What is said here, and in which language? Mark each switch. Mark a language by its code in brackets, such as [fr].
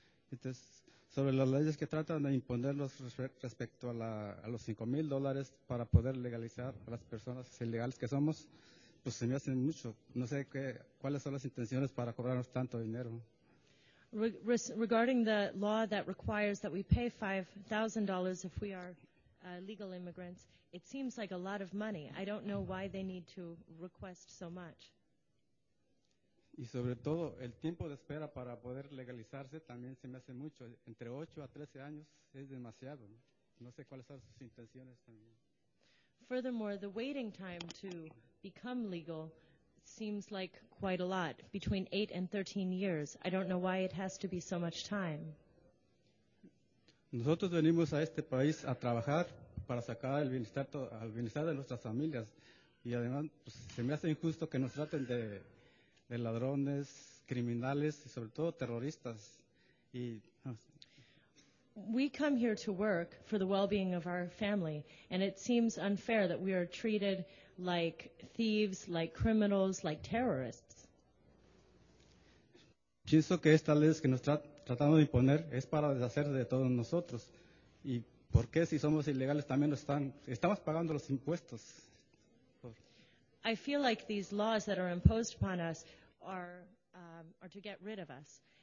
[es] Entonces, sobre las leyes que tratan de imponerlos respecto a los $5,000 para poder legalizar a las personas ilegales que somos, pues se me hacen mucho. No sé cuáles son las intenciones para cobrarnos tanto dinero. [en] Regarding the law that requires that we pay $5,000 if we are legal immigrants, it seems like a lot of money. I don't know why they need to request so much. [es] Y sobre todo, el tiempo de espera para poder legalizarse también se me hace mucho. Entre 8 a 13 años es demasiado. No sé cuáles son sus intenciones también. [en] Furthermore, the waiting time to become legal seems like quite a lot, between 8 and 13 years. I don't know why it has to be so much time. [es] Nosotros venimos a este país a trabajar para sacar el bienestar de nuestras familias. Y además, pues, se me hace injusto que nos traten de ladrones, criminales y sobre todo terroristas. Y, [en] we come here to work for the well-being of our family, and it seems unfair that we are treated like thieves, like criminals, like terrorists. [es] Pienso que esta ley que nos tratando de imponer es para deshacer de todos nosotros. ¿Y por qué si somos ilegales también estamos pagando los impuestos? [en] I feel like these laws that are imposed upon us are to get rid of us.